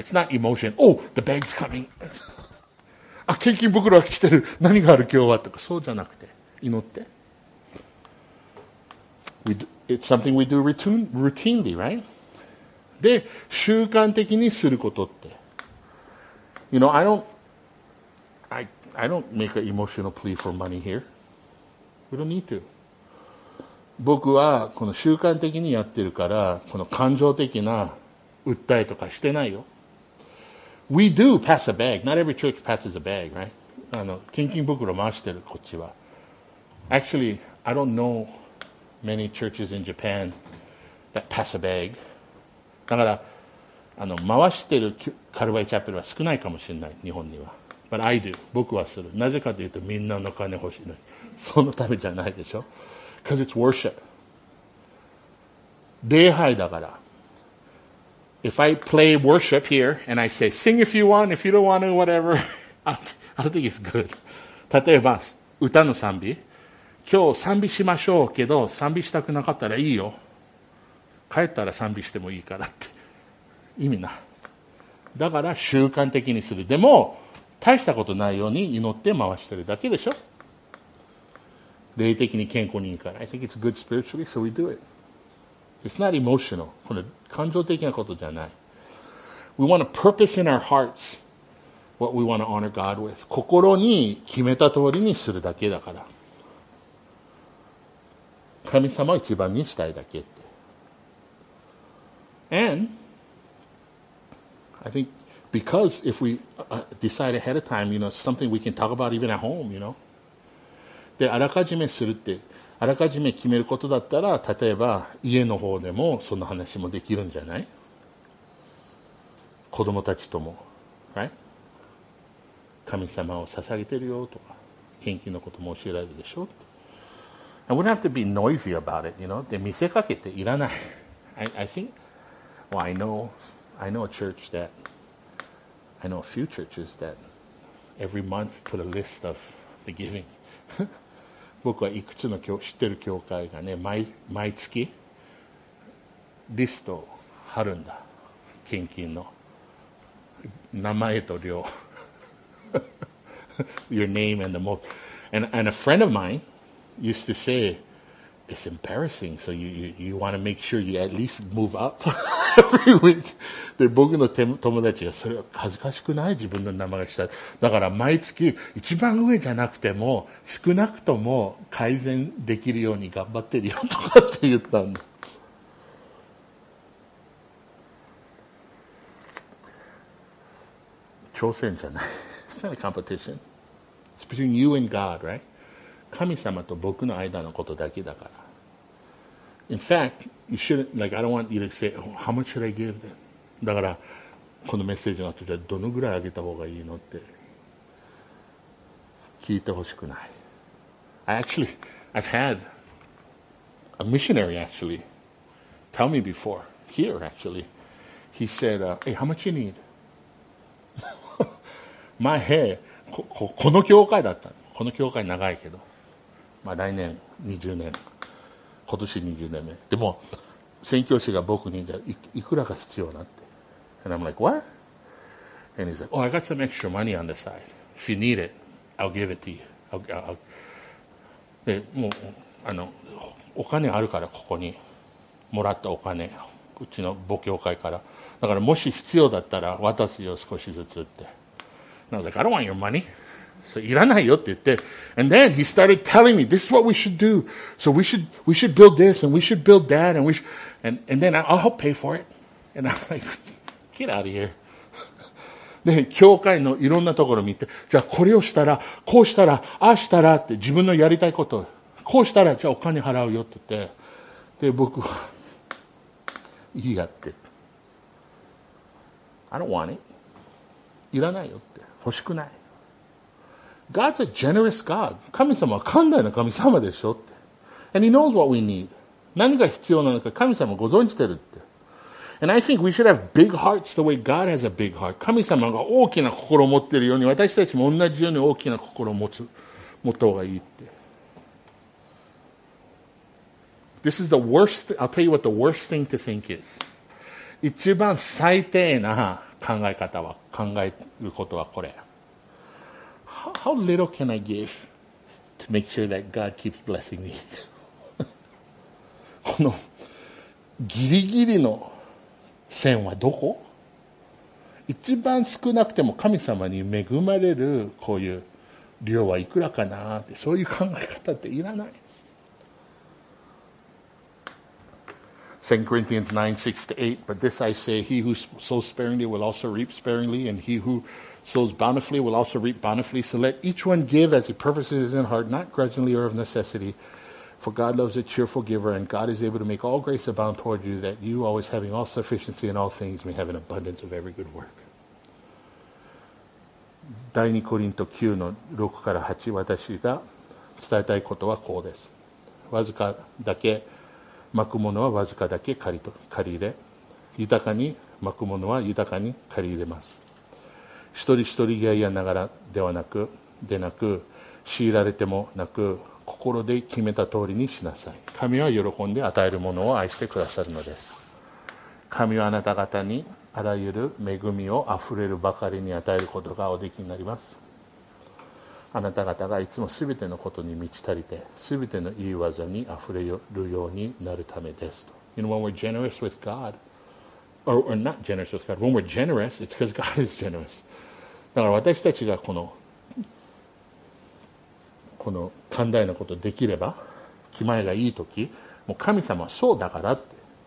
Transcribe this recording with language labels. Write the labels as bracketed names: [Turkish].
[English] It's not emotion. Oh, the bag's coming. [Japanese] あ、献金袋が来てる、何がある今日は、とかそうじゃなくて祈って。 [English] It's something we do routinely, right? [Japanese] で、習慣的にすることって、 [English] You know, I don't make an emotional plea for money here. We don't need to. [Japanese] 僕はこの習慣的にやってるから、この感情的な訴えとかしてないよ。 [English] We do pass a bag. Not every church passes a bag, right? [Japanese] 献金袋回してる、こっちは。 [English] Actually, I don't know many churches in Japan that pass a bag. [Japanese] だから回してるカルバイチャペルは少ないかもしれない、日本には。 [English] But I do. [Japanese] 僕はする。なぜかというと、みんなの金欲しいのに。そのためじゃないでしょ。 [English] Because it's worship. [Japanese] 礼拝だから。 [English] If I play worship here and I say, sing if you want, if you don't want to, whatever, I don't think it's good. [Japanese] 例えば、歌の賛美。今日賛美しましょうけど、賛美したくなかったらいいよ。帰ったら賛美してもいいからって。意味な。だから習慣的にする。でも、大したことないように祈って回してるだけでしょ。霊的に健康にいいから。 [English] I think it's good spiritually, so we do it. It's not emotional. [Japanese] この感情的なことじゃない。 [English] We want a purpose in our hearts, what we want to honor God with. [Japanese] 心に決めた通りにするだけだから。神様を一番にしたいだけって。 [English] And, I think, because if we decide ahead of time, you know, something we can talk about even at home, you know. [Japanese] で、あらかじめするって、あらかじめ決めることだったら、例えば家の方でもその話もできるんじゃない、子供たちとも、 [English] right? [Japanese] 神様を捧げてるよとか、献金のことも教えられるでしょう。 [English] I wouldn't have to be noisy about it, you know? [Japanese] で、見せかけていらない。 [English] I know a church that, I know a few churches that every month put a list of the giving. [Japanese] 僕はいくつの教知ってる教会がね、毎月リストを貼るんだ。献金の名前と量。 [English] Your name and the most. And a friend of mine used to say, it's embarrassing. So you want to make sure you at least move up every week. [Japanese] で、僕の友達はそれは恥ずかしくない自分の名前がした。だから毎月一番上じゃなくても少なくとも改善できるように頑張ってるよとかって言ったんだ。挑戦じゃない。 [English] It's not a competition. It's between you and God, right? [Japanese] 神様と僕の間のことだけだから。 [English] In fact, you shouldn't, like, I don't want you to say,、oh, how much should I give them? [Japanese] だから、このメッセージの後でどのぐらいあげた方がいいのって聞いてほしくない。 [English] I've had a missionary actually tell me before, here actually. He said,、hey, how much you need? [Japanese] 前、hey, この教会だったの。この教会長いけど。まあ来年20年。今年20年目。でも、宣教師が僕にいくらが必要なって。 [English] And I'm like, what? And he's like, oh, I got some extra money on the side. If you need it, I'll give it to you. [Japanese] で、もう、お金あるからここに。もらったお金。うちの母教会から。だからもし必要だったら渡すよ、少しずつって。 [English] And I was like, I don't want your money. [Japanese] So, いらないよって言って。 [English] And then he started telling me, this is what we should do. So we should build this and we should build that and then I'll help pay for it. And I'm like, get out of here. [Japanese] で、教会のいろんなところ見て、じゃあこれをしたら、こうしたら、ああしたらって自分のやりたいこと、こうしたらじゃあお金払うよって言って。で、僕は、いいやって。 [English] I don't want it. [Japanese] いらないよって。欲しくない。 [English] God's a generous God. [Japanese] 神様は寛大な神様でしょって。 [English] And he knows what we need. [Japanese] 何が必要なのか神様ご存知てるって。 [English] And I think we should have big hearts the way God has a big heart. [Japanese] 神様が大きな心を持ってるように私たちも同じように大きな心を持った方がいいって。 [English] This is the worst, I'll tell you what the worst thing to think is. [Japanese] 一番最低な考え方は考えることはこれ。 [English] How little can I give to make sure that God keeps blessing me? [Japanese] このギリギリの線はどこ？一番少なくても神様に恵まれるこういう量はいくらかなってそういう考え方っていらない。 [English] 2 Corinthians 9:6-8, but this I say, he who sows sparingly will also reap sparingly, and he who sows bountifully will also reap bountifully. So let each one give as he purposes his own heart, not grudgingly or of necessity, for God loves a cheerful giver, and God is able to make all grace abound toward you, that you, always having all sufficiency in all things, may have an abundance of every good work. [Japanese] 2 Corinthians 9:6-8, 私が伝えたいことはこうです。わずかだけ巻くものはわずかだけ借り入れ、豊かに巻くものは豊かに借り入れます。一人一人いやいやながらではなく、でなく、強いられてもなく、心で決めた通りにしなさい。神は喜んで与えるものを愛してくださるのです。神はあなた方にあらゆる恵みをあふれるばかりに与えることがおできになります。あなた方がいつもすべてのことに満ち足りて、すべてのいい技にあふれるようになるためですと。 [English] You know, when we're generous with God, or not generous with God, when we're generous, it's because God is generous. [Japanese] だから私たちがこの寛大なことできれば、気前がいいとき、もう神様はそうだからって。